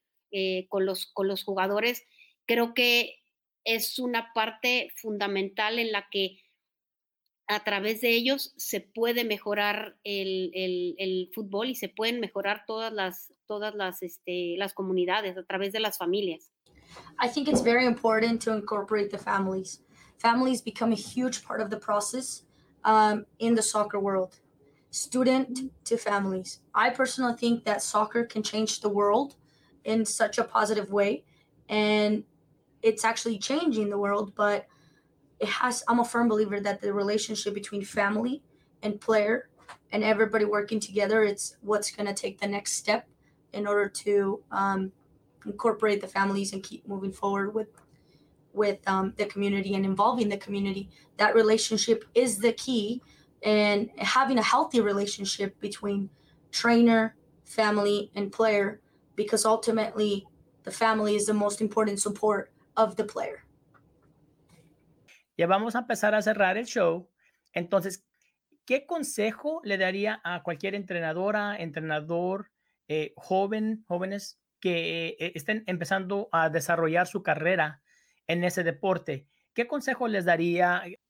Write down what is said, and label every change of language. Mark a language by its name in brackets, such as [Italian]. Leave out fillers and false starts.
[Spanish] los jugadores, creo que es una parte fundamental en la que a través de ellos se puede mejorar el fútbol, y se pueden mejorar todas las comunidades a través de las familias. [English] I think it's very important to incorporate the families. Families become a huge part of the process in the soccer world. Student to families. I personally think that soccer can change the world in such a positive way. And it's actually changing the world, but I'm a firm believer that the relationship between family and player and everybody working together, it's what's going to take the next step in order to incorporate the families and keep moving forward with the community and involving the community. That relationship is the key, and having a healthy relationship between trainer, family, and player, because ultimately the family is the most important support of the player. [Spanish] Ya vamos a empezar a cerrar el show. Entonces, ¿qué consejo le daría a cualquier entrenadora, entrenador, jóvenes que estén empezando a desarrollar su carrera en ese deporte? ¿Qué consejo les daría?